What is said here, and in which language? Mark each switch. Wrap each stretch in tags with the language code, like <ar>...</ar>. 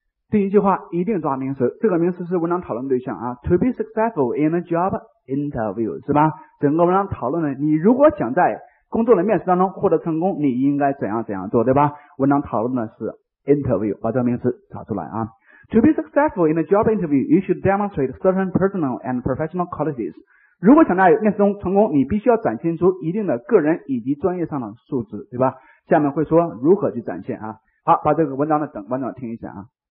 <zh>第一句话一定抓名词，这个名词是文章讨论对象啊。</zh> <en>To be successful in a job interview,</en> <zh>是吧？整个文章讨论的，你如果想在工作的面试当中获得成功，你应该怎样怎样做，对吧？文章讨论的是 interview, 把这个名词找出来啊。</zh> <en>To be successful in a job interview, you should demonstrate certain personal and professional qualities.</en> <zh>如果想在面试中成功，你必须要展现出一定的个人以及专业上的素质，对吧？下面会说如何去展现啊。好，把这个文章的整完整听一下啊。</zh>